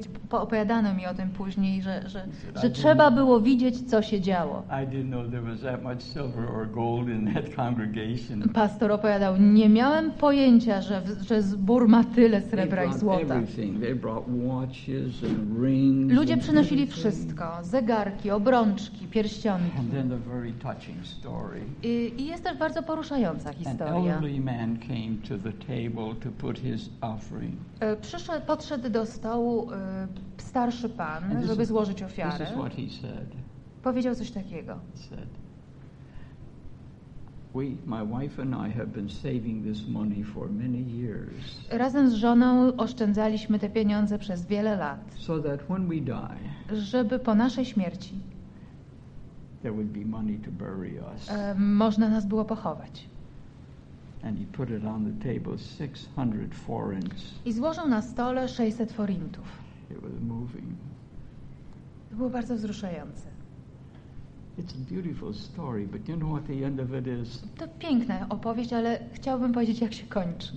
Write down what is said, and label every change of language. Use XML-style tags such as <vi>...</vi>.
<pl>Opowiadano mi o tym później, że trzeba było widzieć, co się działo.</pl> <en>I didn't know there was that much silver or gold in that congregation.</en> <pl>Pastor opowiadał, nie miałem pojęcia, że zbór ma tyle srebra i złota.</pl> <en>They brought watches and rings.</en> <pl>Ludzie przynosili wszystko: zegarki, obrączki, pierścionki.</pl> <en>And then the very touching story.</en> <pl>I jest też bardzo poruszająca historia.</pl> <en>An elderly man came to the table to put his offering.</en> <pl>Podszedł do stołu starszy pan, żeby złożyć ofiarę.</pl> <en>This is what he said.</en> <pl>Powiedział coś takiego.</pl> <en>He said, "We, my wife and I, have been saving this money for many years."</en> <pl>Razem z żoną oszczędzaliśmy te pieniądze przez wiele lat.</pl> <en>So that when we die,</en> <pl>żeby po naszej śmierci,</pl> <en>there would be money to bury us.</en> <pl>Można nas było pochować.</pl> <en>And he put it on the table, 600 forints.</en> <pl>I złożył na stole 600 forintów.</pl> <en>It was moving.</en> <pl>To było bardzo wzruszające.</pl> <en>It's a beautiful story, but you know what the end of it is?</en> <pl>To piękna opowieść, ale chciałbym powiedzieć, jak się kończy.</pl>